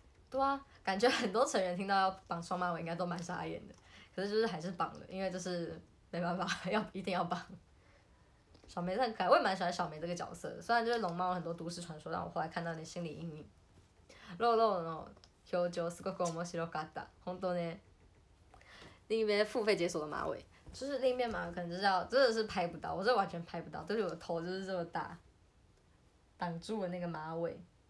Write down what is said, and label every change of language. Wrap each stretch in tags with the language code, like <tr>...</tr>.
<zh>对啊，感觉很多成员听到要绑双马尾应该都蛮傻眼的，可是就是还是绑了，因为就是没办法，要一定要绑。小梅很可爱，我也蛮喜欢小梅这个角色，虽然就是龙猫很多都市传说让我后来看到你心理阴影。肉肉的表情</zh> <ja>すごく面白かった，本当ね。</ja> <zh>另一边付费解锁的马尾，就是另一边马尾可能就是要真的是拍不到，我这完全拍不到，就是我的头就是这么大，挡住了那个马尾。</zh>